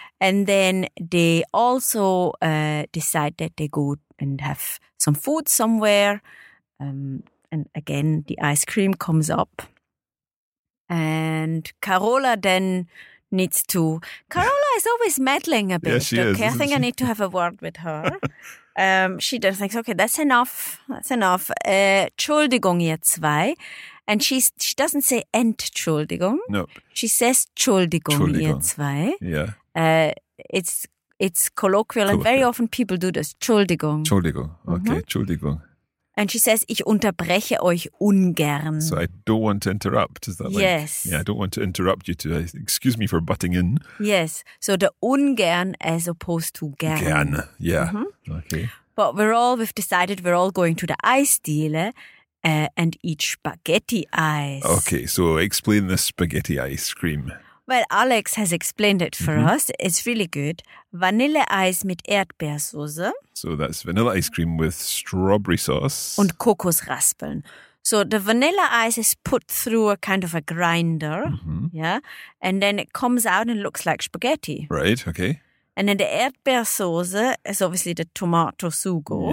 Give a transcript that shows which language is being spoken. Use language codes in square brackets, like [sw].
[en] And then they also decide that they go and have some food somewhere. And again, the ice cream comes up. And Carola then needs to... Carola is always meddling a bit. Yeah, she okay, is, I think she? I need to have a word with her. she just thinks, okay, that's enough. That's enough. [de] Entschuldigung, ihr zwei. [en] And she doesn't say Entschuldigung. Nope. She says [de] Entschuldigung, ihr zwei. [en] Yeah. It's colloquial and very often people do this. [de] Entschuldigung. Entschuldigung. Okay, Entschuldigung. Mm-hmm. [en] And she says, [de] ich unterbreche euch ungern. [en] So I don't want to interrupt, is that like? Yes. Yeah, I don't want to interrupt you. Excuse me for butting in. Yes. So the ungern as opposed to gern. Gern, yeah. Mm-hmm. Okay. But we've decided we're all going to the Eisdiele. And eat spaghetti ice. Okay, so explain the spaghetti ice cream. Well, Alex has explained it for mm-hmm. us. It's really good. [de] Vanille ice mit Erdbeersoße. [en] So that's vanilla ice cream with strawberry sauce. [de] Und Kokosraspeln. [en] So the vanilla ice is put through a kind of a grinder, mm-hmm. yeah? And then it comes out and looks like spaghetti. Right, okay. And then the Erdbeersoße is obviously the tomato sugo.